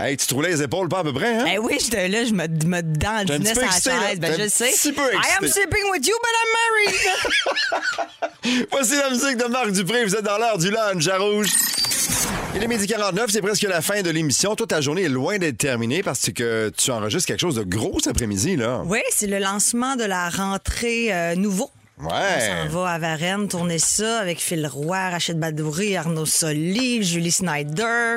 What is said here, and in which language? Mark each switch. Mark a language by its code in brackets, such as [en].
[fr] Hey, tu te roulais les épaules pas à peu près, hein? Eh oui, j'étais là, je me dandinais sur la chaise. Là, ben, je sais. Un petit peu excité. [en] I am sleeping with you, but I'm married! [fr] Voici la musique de Marc Dupré. Vous êtes dans l'heure du lunch à Rouge. Il est midi 49, c'est presque la fin de l'émission. Toi, ta journée est loin d'être terminée parce que tu enregistres quelque chose de gros cet après-midi, là. Oui, c'est le lancement de la rentrée nouveau. Ouais. On s'en va à Varennes tourner ça avec Phil Roy, Rachid Badouri, Arnaud Soli, Julie Snyder.